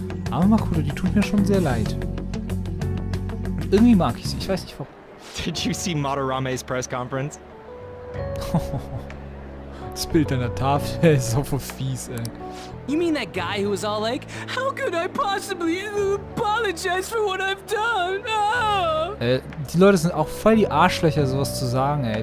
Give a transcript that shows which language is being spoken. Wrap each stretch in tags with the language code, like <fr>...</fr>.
<de>Aber Makoto, die tut mir schon sehr leid. Und irgendwie mag ich sie, ich weiß nicht warum.</de> <en>Did you see Madarame's press conference?</en> <de>Das Bild an der Tafel ist so fies, ey.</de> <en>You mean that guy who was all like, how could I possibly apologize for what I've done?</en> <de>Die Leute sind auch voll die Arschlöcher, sowas zu sagen, ey.</de>